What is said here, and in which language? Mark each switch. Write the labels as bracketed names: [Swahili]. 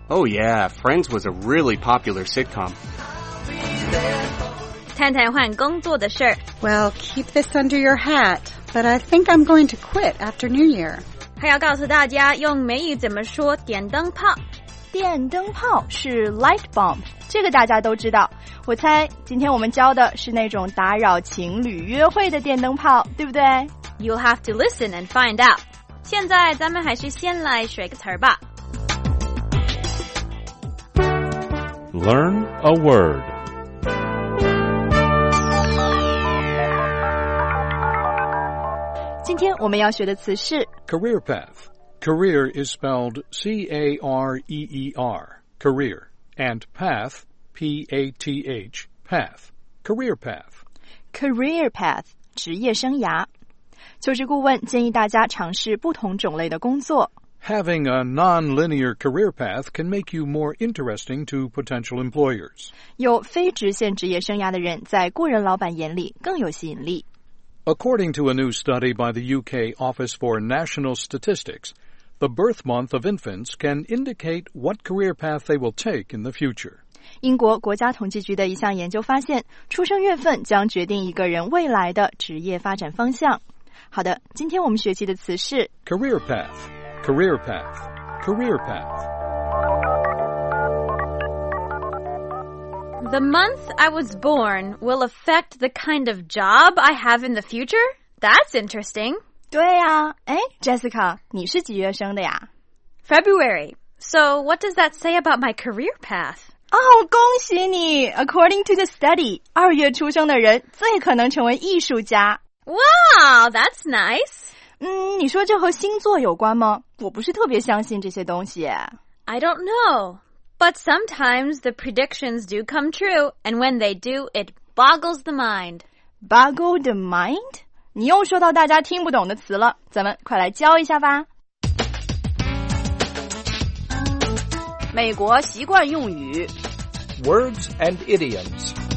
[English] Oh yeah, Friends was a really popular sitcom。 [Chinese] 探探换工作的事。 [English] Well, keep this under your hat, but I think I'm going to quit after New Year。 [Chinese] 还要告诉大家用美语怎么说电灯泡。电灯泡是 light bulb， 这个大家都知道。我猜今天我们教的是那种打扰情侣约会的电灯泡，对不对？ [English] You'll have to listen and find out。 [Chinese] 现在咱们还是先来学个词吧。 [English] Learn a word。 [Chinese] 今天我们要学的词是 [English] Career path. Career is spelled C-A-R-E-E-R, career, and path, P-A-T-H, path, career path. [Chinese] Career path, 职业生涯。求职顾问建议大家尝试不同种类的工作。 [English] Having a non-linear career path can make you more interesting to potential employers. [Chinese] 有非直线职业生涯的人在雇人老板眼里更有吸引力。 [English] According to a new study by the UK Office for National Statistics, the birth month of infants can indicate what career path they will take in the future. [Chinese] 英国国家统计局的一项研究发现，出生月份将决定一个人未来的职业发展方向。好的，今天我们学习的词是 [English] career path, career path, career path. The month I was born will affect the kind of job I have in the future? That's interesting. [Chinese] 对呀、啊，哎 ，Jessica， 你是几月生的呀 [English] ？February. So what does that say about my career path? [Chinese] 哦、oh, ，恭喜你 ！ [English] According to the study, [Chinese] 二月出生的人最可能成为艺术家。 [English] Wow, that's nice. [Chinese] 嗯，你说这和星座有关吗？我不是特别相信这些东西。 [English] I don't know. But sometimes the predictions do come true, and when they do, it boggles the mind. Boggle the mind? [Chinese] 你又说到大家听不懂的词了，咱们快来教一下吧。美国习惯用语。 [English] Words and idioms.